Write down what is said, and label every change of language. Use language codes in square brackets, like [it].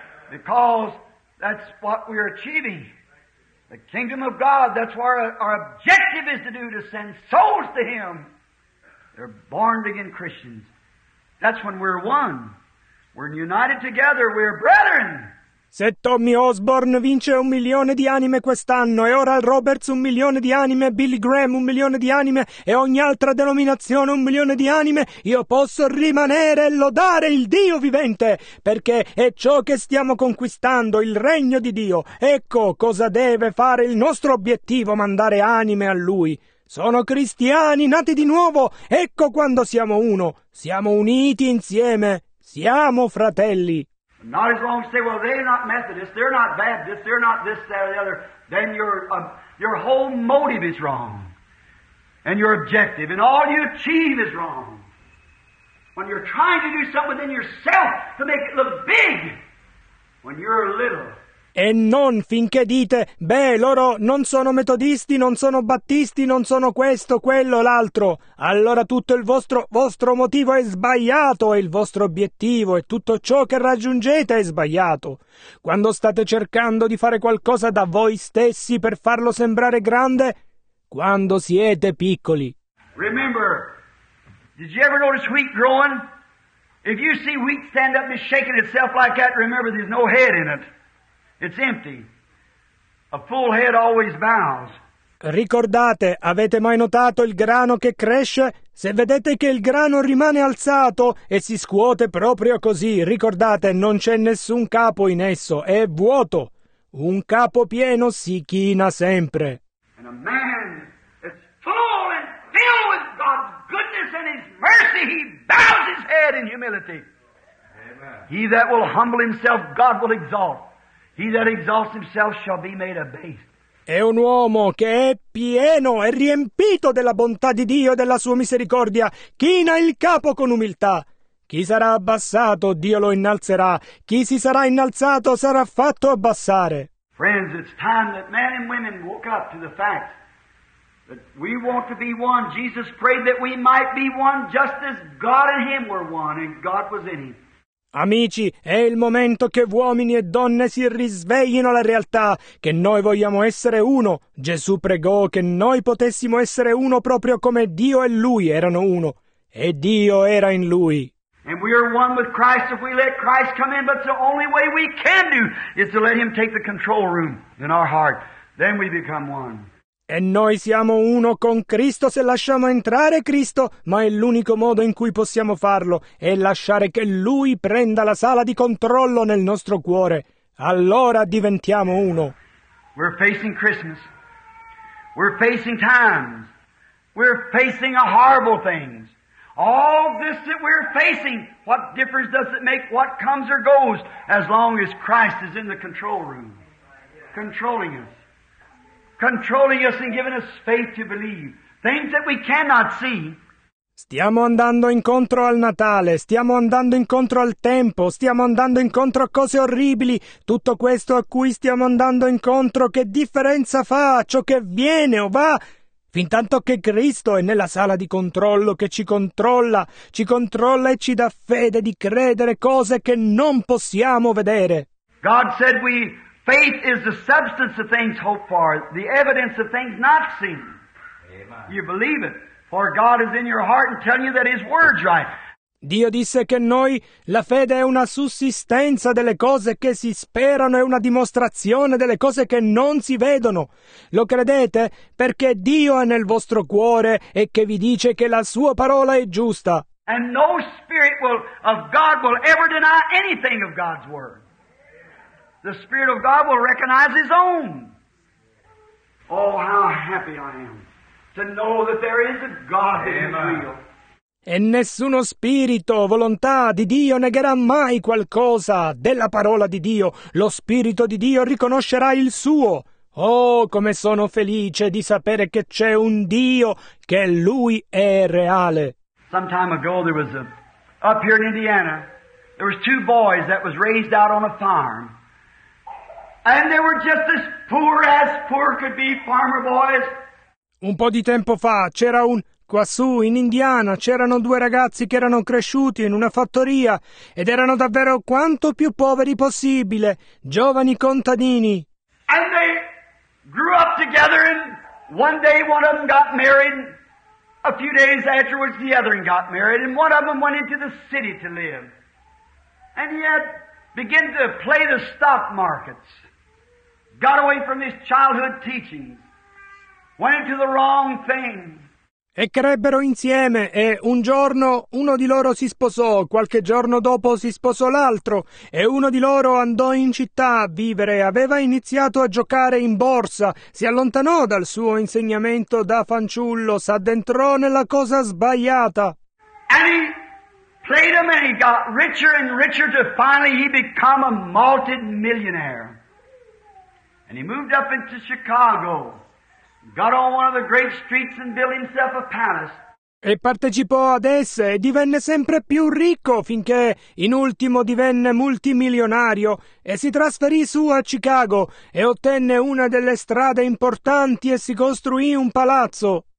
[en] Because that's what we're achieving. The kingdom of God, that's what our objective is to do, to send souls to Him. They're born again Christians. That's when we're one. We're united together. We're brethren. [it] Se Tommy Osborne vince 1,000,000 di anime quest'anno, e Oral Roberts 1,000,000 di anime, Billy Graham 1,000,000 di anime, e ogni altra denominazione 1,000,000 di anime, io posso rimanere e lodare il Dio vivente, perché è ciò che stiamo conquistando, il regno di Dio. Ecco cosa deve fare il nostro obiettivo, mandare anime a Lui. Sono cristiani nati di nuovo, ecco quando siamo uno, siamo uniti insieme, siamo fratelli. [en] Not as long as say, well, they're not Methodists, they're not Baptists, they're not this, that, or the other. Then your whole motive is wrong. And your objective and all you achieve is wrong. When you're trying to do something within yourself to make it look big, when you're little. [it] E non finché dite, beh, loro non sono metodisti, non sono battisti, non sono questo, quello, l'altro. Allora tutto il vostro motivo è sbagliato, e il vostro obiettivo e tutto ciò che raggiungete è sbagliato. Quando state cercando di fare qualcosa da voi stessi per farlo sembrare grande, quando siete piccoli. [en] Remember, did you ever notice wheat growing? If you see wheat stand up and shaking itself like that, remember there's no head in it. It's empty. A full head always bows. [it] Ricordate, avete mai notato il grano che cresce? Se vedete che il grano rimane alzato e si scuote proprio così, ricordate, non c'è nessun capo in esso, è vuoto. Un capo pieno si china sempre. [en] And a man is full and filled with God's goodness and His mercy, he bows his head. head in humility. Amen. He that will humble himself, God will exalt. He that exalts himself shall be made abased. [it] È un uomo che è pieno e riempito della bontà di Dio e della sua misericordia. China il capo con umiltà. Chi sarà abbassato, Dio lo innalzerà. Chi si sarà innalzato, sarà fatto abbassare. [en] Friends, it's time that men and women woke up to the fact that we want to be one. Jesus prayed that we might be one just as God and Him were one and God was in Him. [it] Amici, è il momento che uomini e donne si risveglino alla realtà, che noi vogliamo essere uno. Gesù pregò che noi potessimo essere uno proprio come Dio e Lui erano uno. E Dio era in Lui. [en] And we are one with Christ if we let Christ come in, but the only way we can do is to let Him take the control room in our heart. Then we become one. [it] E noi siamo uno con Cristo se lasciamo entrare Cristo, ma è l'unico modo in cui possiamo farlo, è lasciare che Lui prenda la sala di controllo nel nostro cuore. Allora diventiamo uno. [en] We're facing Christmas. We're facing times. We're facing a horrible things. All this that we're facing, what difference does it make what comes or goes as long as Christ is in the control room, controlling us. Controlling us and giving us faith to believe. Things that we cannot see. [it] Stiamo andando incontro al Natale, stiamo andando incontro al tempo, stiamo andando incontro a cose orribili. Tutto questo a cui stiamo andando incontro, che differenza fa ciò che viene o va? Fintanto che Cristo è nella sala di controllo che ci controlla e ci dà fede di credere cose che non possiamo vedere. [en] God said we... Faith is the substance of things hoped for, the evidence of things not seen. Amen. You believe it, for God is in your heart and telling you that His word's right. [it] Dio disse che noi, la fede è una sussistenza delle cose che si sperano, è una dimostrazione delle cose che non si vedono. Lo credete? Perché Dio è nel vostro cuore e che vi dice che la Sua parola è giusta. [en] And no spirit of God will ever deny anything of God's word. The Spirit of God will recognize His own. Oh, how happy I am to know that there is a God that is real. [it] E nessuno spirito, volontà di Dio negherà mai qualcosa della parola di Dio. Lo Spirito di Dio riconoscerà il suo. Oh, come sono felice di sapere che c'è un Dio, che Lui è reale. [en] Some time ago there was a, up here in Indiana, there was two boys that was raised out on a farm. And they were just as poor as poor could be, farmer boys. [it] Un po' di tempo fa c'era un quassù in Indiana, c'erano due ragazzi che erano cresciuti in una fattoria ed erano davvero quanto più poveri possibile, giovani contadini. [en] And they grew up together and one day one of them got married. A few days afterwards the other one got married and one of them went into the city to live. And he had begun to play the stock markets. Got away from his childhood teachings. Went into the wrong thing. [it] E crebbero insieme e un giorno uno di loro si sposò, qualche giorno dopo si sposò l'altro e uno di loro andò in città a vivere, aveva iniziato a giocare in borsa, si allontanò dal suo insegnamento da fanciullo, s'addentrò nella cosa sbagliata. [en] And he played him and he got richer and richer till finally he became a multi-millionaire. And he moved up into Chicago, got on one of the great streets and built himself a palace. [it] E partecipò ad esse e divenne sempre più ricco finché in ultimo divenne multimilionario e si trasferì su a Chicago e ottenne una delle strade importanti e si costruì un palazzo.